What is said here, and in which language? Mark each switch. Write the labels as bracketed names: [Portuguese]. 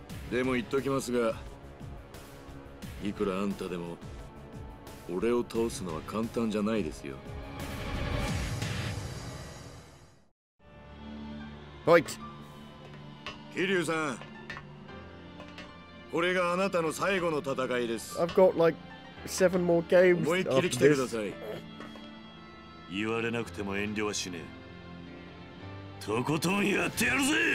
[Japanese] でも言っときますが、いくらあんたでも俺を倒すのは簡単じゃないですよ。はい、桐生さん、これがあなたの最後の戦いです。 [English] I've got like seven more games after this. [Japanese] 思いっきり来てください。言われなくても遠慮はしねえ。とことんやってやるぜ。